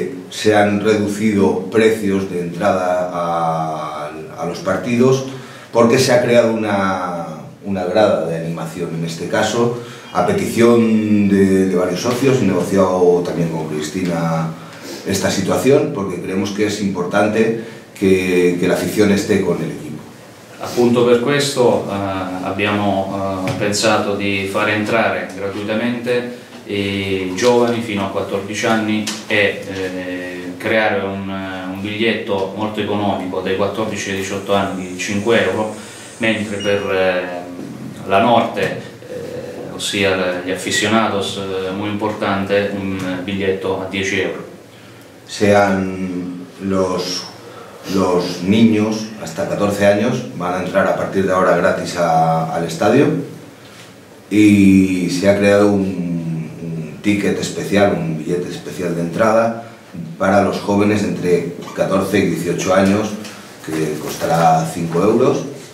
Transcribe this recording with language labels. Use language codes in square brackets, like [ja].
[es] Se han reducido precios de entrada a los partidos porque se ha creado una grada de animación en este caso, a petición de varios socios. He negociado también con Cristina esta situación porque creemos que es importante que la afición esté con el equipo. [it] Appunto per questo abbiamo pensato di far entrare gratuitamente i giovani fino a 14 anni e creare un biglietto molto economico dai 14 ai 18 anni di 5 euro, mentre per la notte, ossia gli aficionados, molto importante, un biglietto a 10 euro. [es] Sean los niños hasta 14 años van a entrar a partir de ahora gratis al estadio y se ha creado un ticket especial, un billete especial de entrada para los jóvenes entre 14 y 18 años que costará 5 euros.